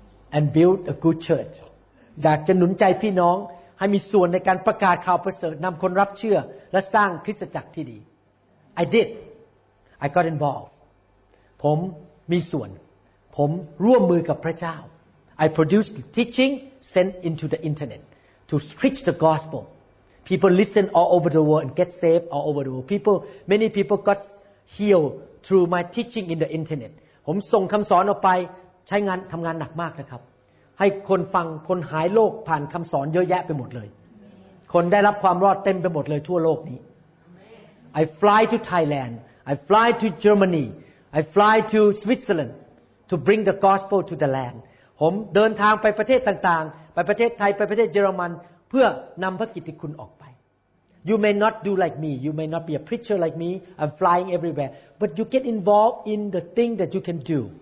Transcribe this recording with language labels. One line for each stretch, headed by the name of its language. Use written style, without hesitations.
English: and build a good church.
Thai: อยากจะหนุนใจพี่น้องให้มีส่วนในการประกาศข่าวประเสริฐนำคนรับเชื่อและสร้างคริสตจักรที่ดี
English: I did. I got involved.
Thai: ผมมีส่วนผมร่วมมือกับพระเจ้า
English: I produced teaching sent into the internet to preach the gospel. People listen all over the world and get saved all over the world. Many people got healed through my teaching in the internet.
Thai: ผมส่งคำสอนออกไปใช้งานทำงานหนักมากนะครับให้คนฟังคนหายโรคผ่านคำสอนเยอะแยะไปหมดเลยคนได้รับความรอดเต็มไปหมดเลยทั่วโลกนี้
English: I fly to Thailand I fly to Germany I fly to Switzerland to bring the gospel to the land
Thai: ผมเดินทางไปประเทศต่างๆไปประเทศไทยไปประเทศเยอรมันเพื่อนำพระกิตติคุณออกไป
English: You may not do like me you may not be a preacher like me I'm flying everywhere but you get involved in the thing that you can do